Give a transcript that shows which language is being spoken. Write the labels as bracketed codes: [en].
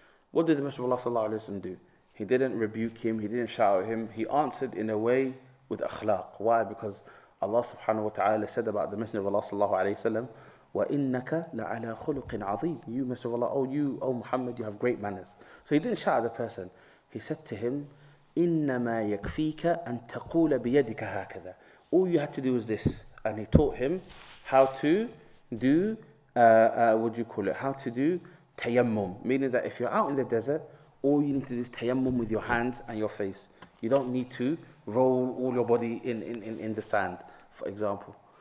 [en] What did the Messenger of Allah sallallahu alayhi wa sallam do? He didn't rebuke him, he didn't shout at him, he answered in a way with akhlaq. Why? Because Allah subhanahu wa ta'ala said about the Messenger of Allah sallallahu alayhi wa sallam, [ar] وَإِنَّكَ لَعَلَى خُلُقٍ عَظِيمٍ. [en] You, Messenger of Allah, oh Muhammad, you have great manners. So he didn't shout at the person. He said to him, [ar] إِنَّمَا يَكْفِيكَ أَن تَقُولَ بِيَدِكَ هَكَذَا. [en] All you had to do was this. And he taught him how to do, how to do tayammum. Meaning that if you're out in the desert, all you need to do is tayammum with your hands and your face. You don't need to roll all your body in the sand, for example.